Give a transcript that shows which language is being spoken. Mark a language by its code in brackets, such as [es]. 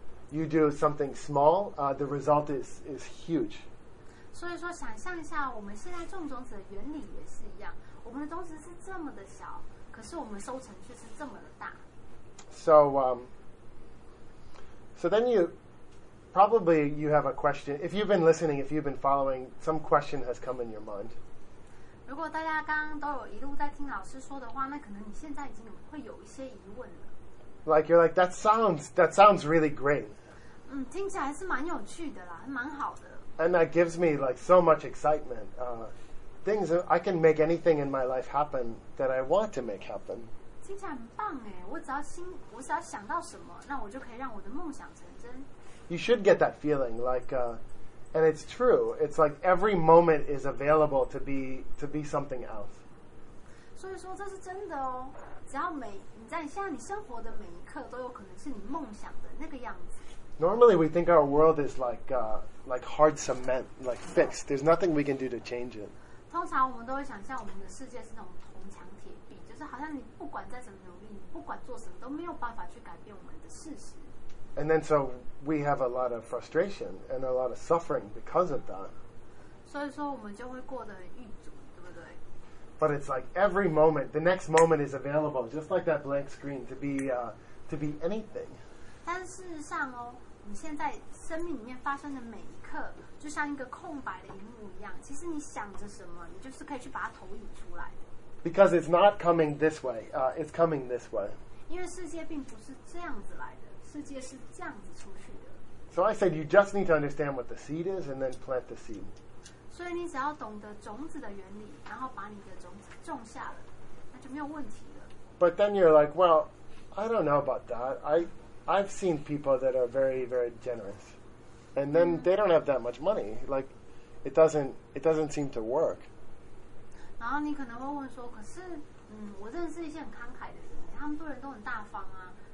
[en] You do something small, the result is huge. [zh] 所以说想象一下我们现在种种子的原理也是一样。我们的种子是这么的小，可是我们收成却是这么的大。 [en] So then you, probably you have a question. If you've been listening, if you've been following, some question has come in your mind. [zh] 如果大家刚刚都有一路在听老师说的话，那可能你现在已经会有一些疑问了。 [en] Like you're like that sounds really great. [zh] 嗯，听起来是蛮有趣的啦，蛮好的。 [en] And that gives me like so much excitement. Things I can make anything in my life happen that I want to make happen. [zh] 听起来很棒哎，我只要想到什么，那我就可以让我的梦想成真。 [en] You should get that feeling like. And it's true. It's like every moment is available to be something else. [zh] 所以说这是真的哦。只要每你在现在你生活的每一刻都有可能是你梦想的那个样子。 [en] Normally, we think our world is like hard cement, like fixed. There's nothing we can do to change it. [zh] 通常我们都会想象我们的世界是那种铜墙铁壁，就是好像你不管再怎么努力，你不管做什么都没有办法去改变我们的事实。 [en] And then so we have a lot of frustration and a lot of suffering because of that. [zh] 所以说我们就会过得很郁卒，对不对？ [en] But it's like every moment, the next moment is available, just like that blank screen, to be anything. [zh] 但事实上哦，你现在生命里面发生的每一刻，就像一个空白的荧幕一样，其实你想着什么，你就是可以去把它投影出来的。 [en] Because it's not coming this way, it's coming this way. [zh] 因为世界并不是这样子来的。世界是这样子出去的。 [en] So I said, you just need to understand what the seed is, and then plant the seed. [zh] 所以你只要懂得种子的原理，然后把你的种子种下了，那就没有问题了。 [en] But then you're like, well, I don't know about that. I've seen people that are very, very generous, and then they don't have that much money. Like, it doesn't seem to work. [zh] 然后你可能会问说，可是，我认识一些很慷慨的人，他们对人都很大方啊。